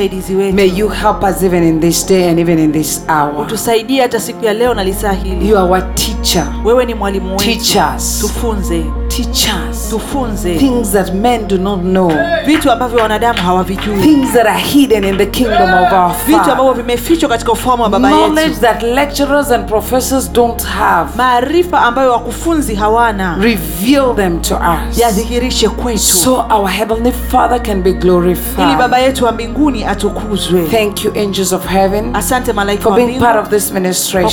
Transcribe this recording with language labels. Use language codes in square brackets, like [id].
[en] May you help us even in this day and even in this hour. [sw] Utusaidie hata siku ya leo na lisaa hili. [en] You are our teacher. [sw] Wewe ni mwalimu wetu. [en] Teach us. [sw] Tufunze. [en] Teach us. [sw] Tufunze. [en] Things that men do not know. [sw] Vitu ambavyo wanadamu hawavijui. [en] Things that are hidden in the kingdom of our Father. [sw] Vitu ambavyo vimefichwa katika ufalme wa Baba yetu. [en] Knowledge that lecturers and professors don't have. [sw] Maarifa ambayo wakufunzi hawana. [en] Reveal them to us. [sw] Yadhihirishe kwetu. [en] So our heavenly Father can be glorified. [sw] Ili Baba yetu wa mbinguni atukuzwe. [en] Thank you, angels of heaven. [sw] Asante malaika wa mbinguni. [en] For being part of this ministration.